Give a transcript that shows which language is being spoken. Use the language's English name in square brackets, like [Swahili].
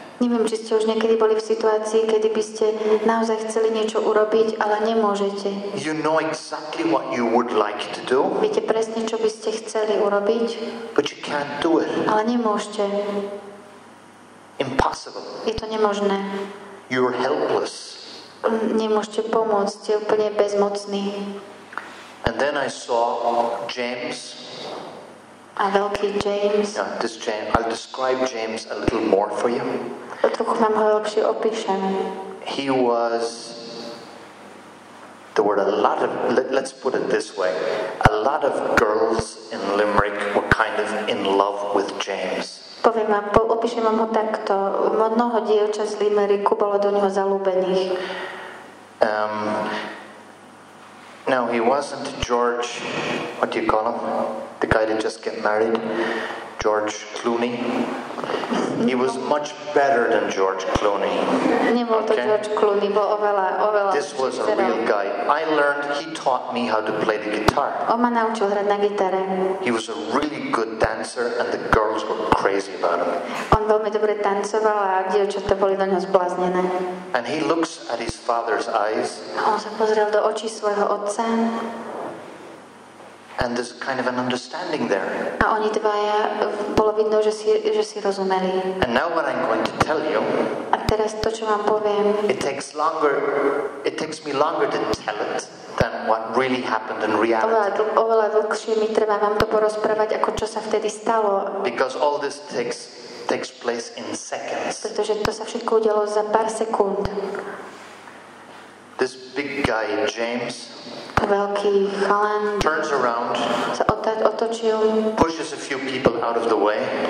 [Slovak] Neviem, či ste už niekedy boli v situácii, kedy by ste naozaj chceli niečo urobiť, ale nemôžete. [English] You know exactly what you would like to do. [Slovak] Viete presne, čo by ste chceli urobiť, [English] but you can't do it. [Slovak] Ale nemôžete. [English] Impossible. [Slovak] Je to nemožné. [English] You're helpless. [Slovak] Nemôžete pomôcť, ste úplne bezmocný. [English] And then I saw James. [Slovak] A veľký James. [English] Yeah, this James. I'll describe James a little more for you. [Slovak] Trochu vám ho lepšie opíšem. [English] He was... There were a lot of... Let's put it this way. A lot of girls in Limerick were kind of in love with James. [Slovak] Poviem vám, opíšem vám ho takto. Mnoho dievčat z Limericku bolo do neho zalúbených. [English] No, he wasn't George, what do you call him? The guy that just got married, George Clooney. He was much better than George Clooney. [Slovak] Nebol to okay? George Clooney, bol oveľa. [English] This was a real guy. I learned, he taught me how to play the guitar. [Slovak] On ma naučil hrať na gitare. [English] He was a really good dancer and the girls were crazy about him. [Slovak] On veľmi dobre tancoval a dievčatá boli do neho zbláznené. [English] And he looks at his father's eyes. [Slovak] On sa pozrel do očí svojho otca. [English] And there's kind of an understanding there. [Slovak] A oni dvaja bolo vidno, že si rozumeli. [English] And now what I'm going to tell you. [Slovak] A teraz to, čo vám poviem. [English] It takes me longer to tell it than what really happened in reality. [Slovak] Oveľa dlhšie mi trvá vám to porozprávať, ako čo sa vtedy stalo. [English] Because all this takes place in seconds. [Slovak] Pretože to sa všetko udialo za pár sekúnd. [English] This big guy James [Slovak] veľký chalan [English] turns around, [Slovak] sa otočil, [English] pushes a few people out of the way,